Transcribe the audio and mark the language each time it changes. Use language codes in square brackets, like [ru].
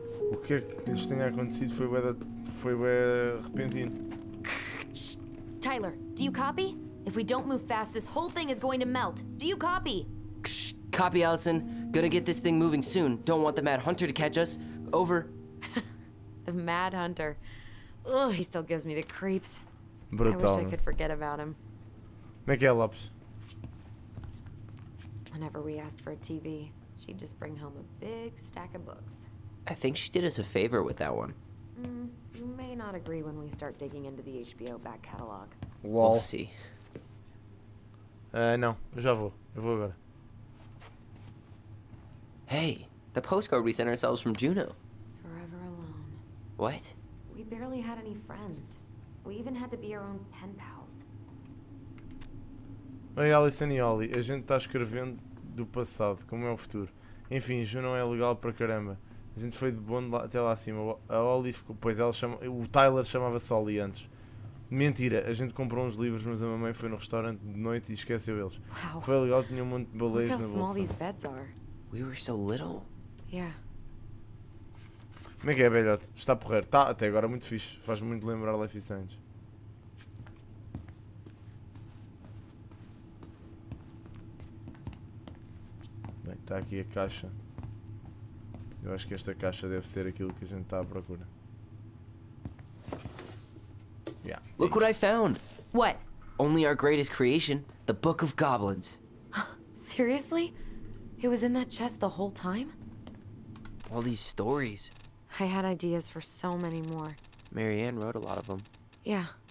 [pt] O que é que lhes tenha acontecido foi bué repentino. [en] Tyler, do you copy? If we don't move fast, this whole thing is going to melt. Do you copy? Copy, Allison. Gonna get this thing moving soon. Don't want the Mad Hunter to catch us. Over. The Mad Hunter. Ugh, he still gives me the creeps. Brutal. I wish I could forget about him. Miguel Lopes. Whenever we asked for a TV, she'd just bring home a big stack of books. I think she did us a favor with that one. You may not agree when we start digging into the HBO back catalog. We'll see. [pt] Não, já vou. Eu vou agora. [en] Hey, the postcard we sent ourselves from Juno. Forever alone. What? We barely had any friends. We even had to be our own pen pals. [pt] Oi, Alison e Ollie. A gente está escrevendo do passado, como é o futuro. Enfim, Juno é legal para caramba. A gente foi de bonde até lá acima. A Ollie ficou... Pois, ela chama... O Tyler chamava-se Ollie antes. Mentira. A gente comprou uns livros, mas a mamãe foi no restaurante de noite e esqueceu eles. [en] Wow. [pt] Foi legal, tinha um monte de baleias na bolsa. [en] Look how small these beds are. We were so little. Yeah. [pt] Como é que é, velhote? Está porreiro. Está até agora muito fixe. Faz-me muito lembrar Life is Strange. Bem, está aqui a caixa. Eu acho que esta caixa deve ser aquilo que a gente está à procura. [en] Yeah. Look what I found! What? Only our greatest creation, the Book of Goblins. Seriously? It was in that chest the whole time? All these stories. I had ideas for so many more. Marianne wrote a lot of them. Yeah.